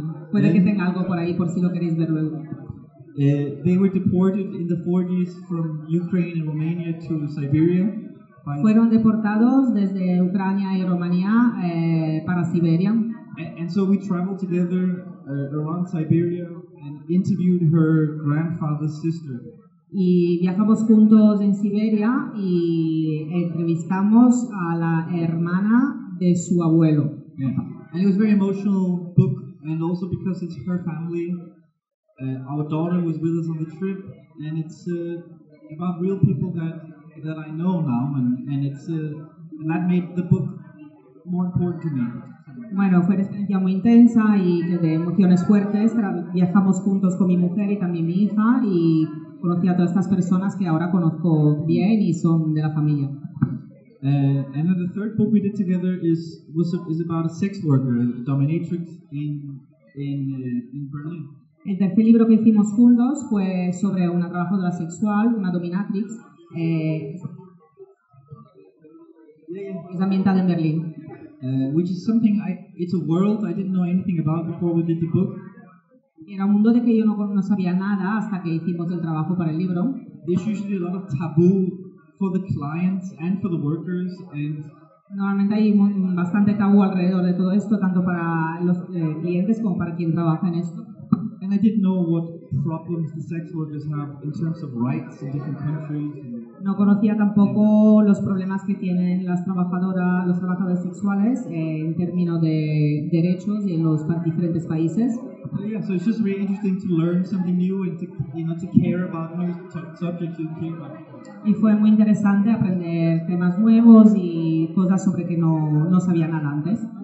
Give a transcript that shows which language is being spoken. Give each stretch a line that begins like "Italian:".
Spanish: Puede que tenga algo por ahí por si lo queréis ver luego.
English: They were deported in the 40s from Ukraine and Romania to Siberia.
Spanish: Fueron deportados desde Ucrania y Rumanía para Siberia.
English: And so we traveled together around Siberia and interviewed her grandfather's sister.
Spanish: Y viajamos juntos en Siberia y entrevistamos a la hermana de su abuelo.
English: Yeah. And it was a very emotional book, and also because it's her family. Our daughter was with us on the trip, and it's about real people that I know now, and it's and that made the book more important to me.
Spanish: Bueno, fue una experiencia muy intensa y de emociones fuertes. Viajamos juntos con mi mujer y también mi hija, y conocí a todas estas personas que ahora conozco bien y son de la familia.
English: And then the third book we did together is about a sex worker, a dominatrix in Berlin.
Spanish: El tercer libro que hicimos juntos fue sobre una trabajadora sexual, una dominatrix, es ambientada en Berlín.
English: Which is something it's a world I didn't know anything about before we did the book.
Spanish: Era un mundo de que yo no sabía nada hasta que hicimos el trabajo para el libro.
English: There's usually a lot of taboo for the clients and for the workers, and
Spanish: normalmente hay bastante tabú alrededor de todo esto, tanto para los clientes como para quien trabaja en esto.
English: And I didn't know what problems the sex workers have in terms of rights in different countries.
Spanish: No conocía tampoco los problemas que tienen los trabajadores sexuales en términos de derechos y en los diferentes países.
English: Yeah, so it's just really interesting to learn something new and to, you know, to care about new subjects you care about.
Spanish: Y fue muy interesante aprender temas nuevos y cosas sobre que no sabía nada antes.